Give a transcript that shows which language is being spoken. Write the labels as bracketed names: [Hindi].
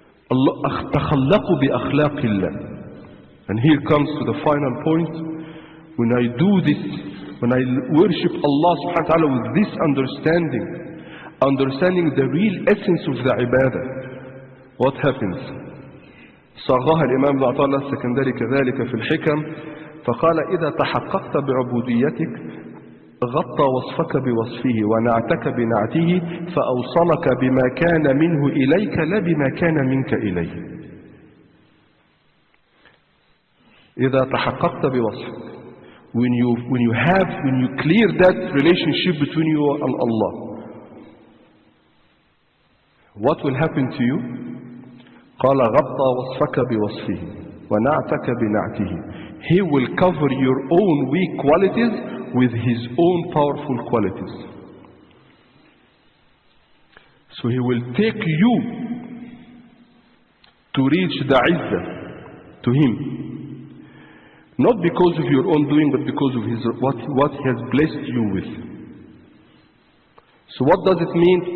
[Arabic] Allah takhallaqu bi akhlaqillah. [English] And here comes to the final point. When I do this, when I worship Allah subhanahu wa ta'ala with this understanding, understanding the real essence of the ibadah, what happens? [Arabic] صرها الإمام بن عطاء السكندري كذلك في الحكم فقال إذا تحققت بعبوديتك غطى وصفك بوصفه ونعتك بنعته فأوصلك بما كان منه إليك لا بما كان منك إليه. إذا تحققت بوصفك, [English] when you clear that relationship between you and Allah, what will happen to you? [Arabic] قال غطى وصفك بوصفه ونعتك بنعته. [English] He will cover your own weak qualities with his own powerful qualities. So he will take you to reach the izzah to him, not because of your own doing, but because of his what he has blessed you with. So what does it mean?